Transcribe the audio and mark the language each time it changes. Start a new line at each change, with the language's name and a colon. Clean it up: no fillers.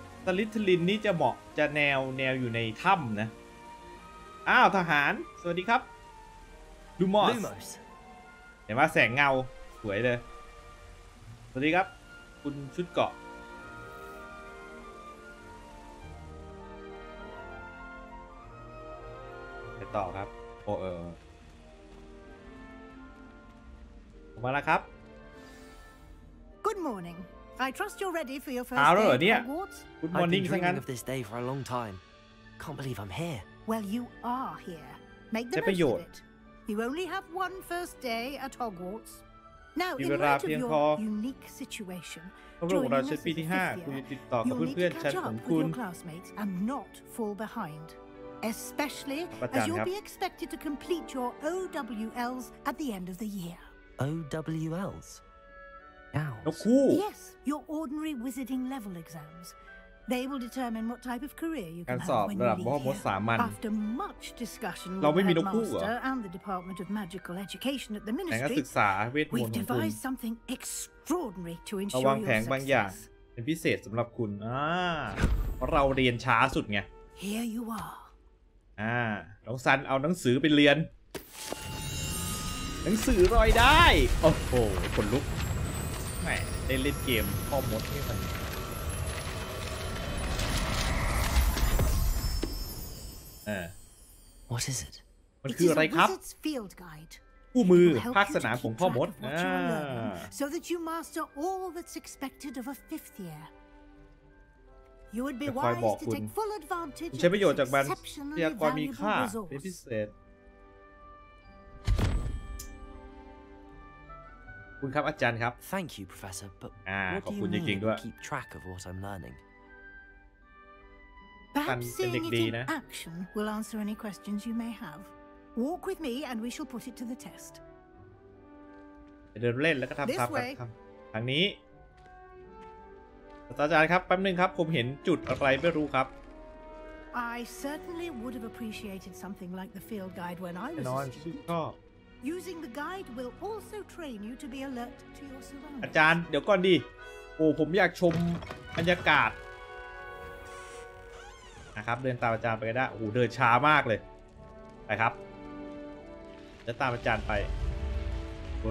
Thai: สลิธลินนี่จะเหมาะจะแนวอยู่ในถ้ำนะอ้าวทหารสวัสดีครับลูมอสเห็นไหมแสงเงาสวยเลยสวัสดีครับคุณชุดเกาะต่อครับโอ้เออผมมาแล้วครับ
English: Good morning I trust you're ready for your first day of Hogwarts Good morning
Thai: ทั้งนั้น
English: I've been dreaming of this day for a long time Can't believe I'm here Well you are here Make the most of it You only have one first day at Hogwarts Now in light of your unique situation during your first year
Thai: คุณติดต่อกับเพื่อนๆชั้นของคุณ
English: and not fall behindEspecially as you'll be expected to complete your OWLs at the end of the year. OWLs? Now? Yes, your ordinary wizarding level exams. They will determine what type of career you can have when you leave here. After much discussion with the headmaster and the Department of Magical Education at the Ministry, we've devised something extraordinary to ensure your success.
Thai: เป็นพิเศษสำหรับคุณเพราะเราเรียนช้าสุดไง
English: Here you are.
Thai: น้องซันเอาหนังสือไปเรียนหนังสือรอยได้โอ้โหขนลุก ได้เล่นเกมพ่อมดให้มัน
English: What is it?
Thai: มันคืออะไรครับ
English: field guide.
Thai: คู่มือภาคสนามของพ่อมด
English: So that you master all that's expected of a fifth year. You would be wise to take full advantage.
Thai: ใช้ประโยชน์จากมันเรียกความมีค่าเป็นพิเศษคุณครับอาจารย์ครับ
English: Thank you professor but
Thai: ขอบคุณจริงๆด้วย
English: Keep track of what I'm learning Perhaps seeing it in action will answer any questions you may have. Walk with me, and we shall put it to the test.
Thai: เดินเล่นแล้วก็ทำครับทางนี้ศาสตราจารย์ครับแป๊บนึงครับผมเห็นจุดอะไรไม่รู้ครับ
English: I certainly would have appreciated something like the field guide when I was a student. Using the guide will also train you to be alert to your surroundings.
Thai: อาจารย์เดี๋ยวก่อนดิโอ้ผมอยากชมบรรยากาศนะครับเดินตามอาจารย์ไปก็ได้โอ้โหเดินช้ามากเลยไปครับจะตามอาจารย์ไปเว